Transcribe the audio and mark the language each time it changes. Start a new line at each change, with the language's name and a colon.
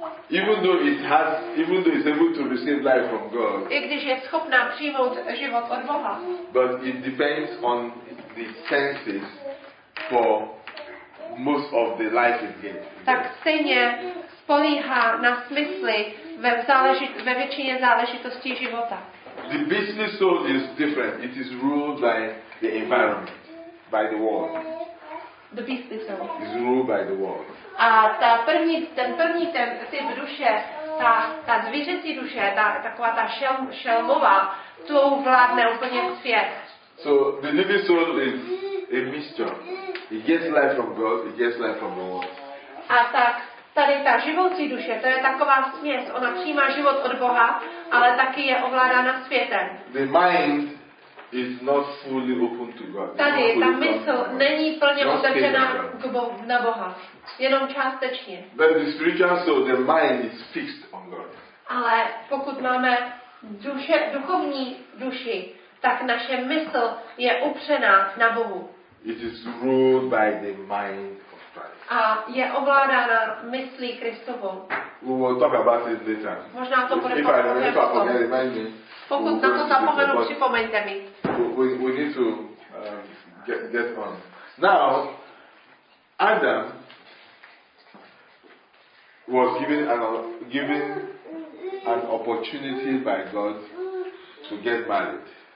English: Even though it's able to receive life from God.
Czech: I když je schopná přijmout život od Boha.
English: But it depends on the senses for most of the life it gives.
Czech: Tak stejně spolíhá na smysly ve většině záležitostí života.
English: The beastly soul is different. It is ruled by the environment, by the world. The beastly soul. Is ruled by the world.
Czech: A ten první typ duše, ta zvířecí duše, taková ta šelmová, to vládne úplně svět.
English: So the living soul is a mixture. It gets life from God, it gets life from the world.
Czech: A tak tady ta živoucí duše, to je taková směs, ona přijímá život od Boha, ale taky je ovládána světem.
English: The mind is not fully open to God.
Czech: Tady ta mysl není plně otevřená na Boha. Jenom částečně.
English: But the spiritual soul, the mind is fixed on God.
Czech: Ale pokud máme duchovní duši, tak naše mysl je upřená na Bohu.
English: It is ruled by the mind of Christ.
Czech: A je ovládána myslí Kristovou.
English: We will talk about it later.
Czech: Možná to bude potom. Pokud na to zapomenu, připomeňte mi.
English: We need to get on. Now, Adam was given an opportunity by God to get married.